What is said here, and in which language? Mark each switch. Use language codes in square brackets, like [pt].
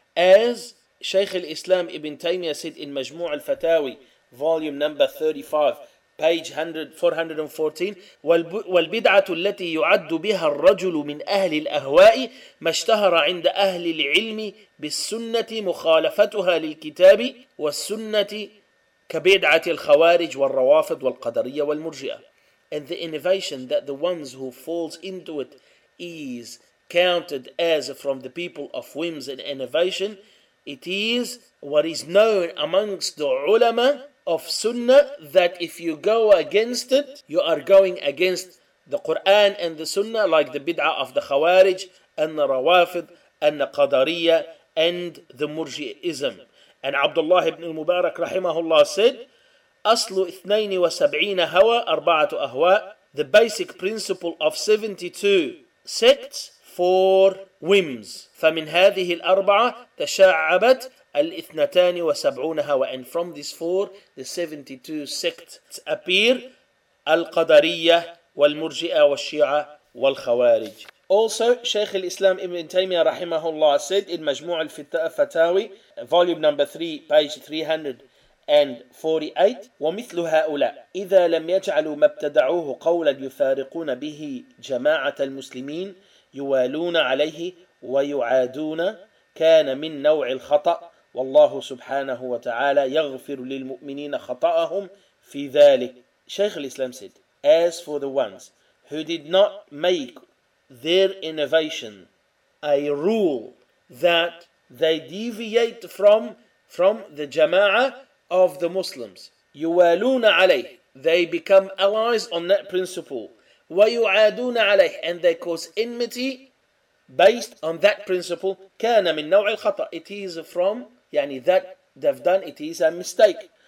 [en] As Shaykh al-Islam Ibn Taymiyyah said in Majmu' al-Fatawi, volume number 35, page 414, [ar] وَالْبِدْعَةُ الَّتِي يُعَدُّ بِهَا الرَّجُلُ مِنْ أَهْلِ الْأَهْوَاءِ مَا اشْتَهَرَ عِنْدَ أَهْلِ الْعِلْمِ بِالسُّنَّةِ مُخَالَفَتُهَا لِلْكِتَابِ وَالسُّنَّةِ كَبِدْعَةِ الْخَوَارِجِ وَالرَّوَافِدِ وَالْقَدَرِيَّ وَالْمُرْجِئَةِ. [en] And the innovation that the ones who falls into it is counted as from the people of whims and innovation, it is what is known amongst the ulama of sunnah, that if you go against it, you are going against the Quran and the sunnah, like the bid'ah of the khawarij and the rawafid and the qadariyah and the murji'ism. And Abdullah ibn al-Mubarak rahimahullah said, [ar] aslu 72 hawa arba'atu ahwa, [en] the basic principle of 72 sects, four whims. [ar] فَمِنْ هَذِهِ الْأَرْبَعَةِ تَشَاعَبَتْ الْإِثْنَتَانِ وَسَبْعُونَ هَوَى. [en] And from these four, the 72 sects appear, [ar] الْقَدَرِيَّةِ وَالْمُرْجِئَةِ وَالشِّيَعَةِ وَالْخَوَارِجِ. [en] Also, Shaykh al-Islam Ibn Taymiyyah rahimahullah said in Majmu' al-Fatawi, volume number 3, page 348, [ar] وَمِثْلُ هَؤُلَاء إِذَا لَمْ يَجْعَلُوا مَا ابْتَدَعُوهُ قَوْلًا يُفَارِقُونَ بِهِ جَمَاعَةَ الْمُسْلِمِينَ يُوَالُونَ عَلَيْهِ وَيُعَادُونَ كَانَ مِنْ نَوْعِ الْخَطَأِ وَاللَّهُ سُبْحَانَهُ وَتَعَالَى يَغْفِرُ لِلْمُؤْمِنِينَ خَطَأَهُمْ فِي ذَلِكَ. [en] Shaykh al-Islam said, as for the ones who did not make their innovation a rule that they deviate from the jama'ah of the Muslims, [ar] يُوَالُونَ عَلَيْهِ, [en] they become allies on that principle, [ar] وَيُعَادُونَ عَلَيْهِ, [en] and they cause enmity based on that principle, [ar] كان من نوع الخطأ, [en] it is from, يعني that they've done, it is a mistake.